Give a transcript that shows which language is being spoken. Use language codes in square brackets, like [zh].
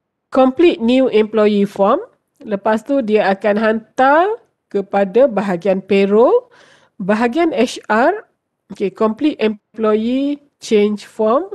[en] Complete new employee form. [ms] Lepas tu dia akan hantar kepada bahagian payroll. Bahagian HR. [en] Okay, complete employee change form.